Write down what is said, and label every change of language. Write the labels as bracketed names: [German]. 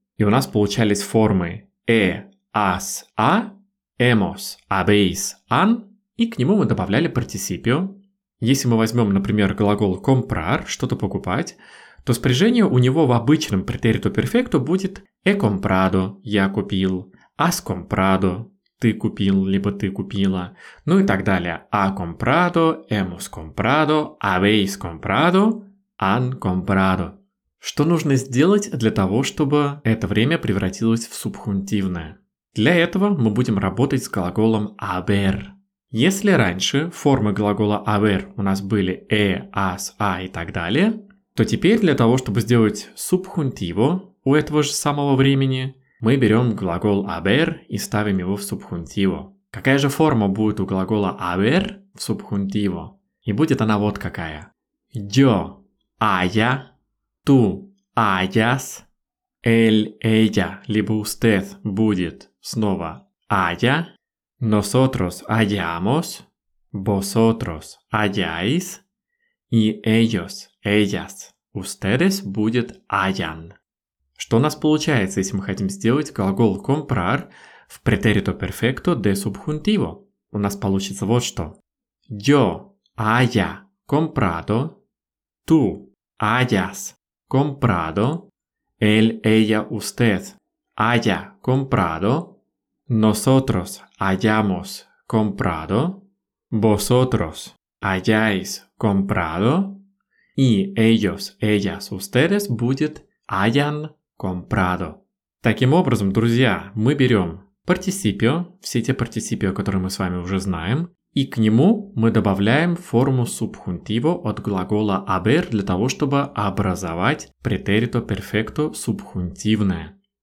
[Russian] И у нас получались формы «e, as, a», «hemos», «habéis», «han», и к нему мы добавляли participio. Если мы возьмем, например, глагол comprar, что-то покупать, то спряжение у него в обычном претерито перфекто будет [Spanish] «he comprado», [Russian] «я купил», [Spanish] «has comprado», [Russian] «ты купил», либо «ты купила», ну и так далее. [Spanish] «Ha comprado», «hemos comprado», «habéis comprado», «han comprado». [Russian] Что нужно сделать для того, чтобы это время превратилось в субхунтивное? Для этого мы будем работать с глаголом haber. Если раньше формы глагола haber у нас были «e», «as», «a» и так далее, то теперь для того, чтобы сделать субхунтиво у этого же самого времени, мы берем глагол haber и ставим его в субхунтиво. Какая же форма будет у глагола haber в субхунтиво? И будет она вот какая. [Spanish] Yo haya, tú hayas, él, ella, [Russian] либо [Spanish] usted [Russian] будет снова [Spanish] haya, nosotros hayamos, vosotros hayáis, y ellos, ellas, ustedes [Russian] будет [Spanish] hayan. [Russian] Что у нас получается, если мы хотим сделать глагол comprar в претерито перфекто de субхунтиво? У нас получится вот что. [Spanish] Yo haya comprado, tú hayas comprado, él, ella, usted haya comprado, nosotros hayamos comprado, vosotros hayáis comprado, y ellos, ellas, ustedes [Russian] будет [Spanish] hayan comprado. [Russian] Таким образом, друзья, мы берем participio, все те participio, которые мы с вами уже знаем, и к нему мы добавляем форму субхунтиво от глагола haber для того, чтобы образовать претерито перфекто субхунтивное.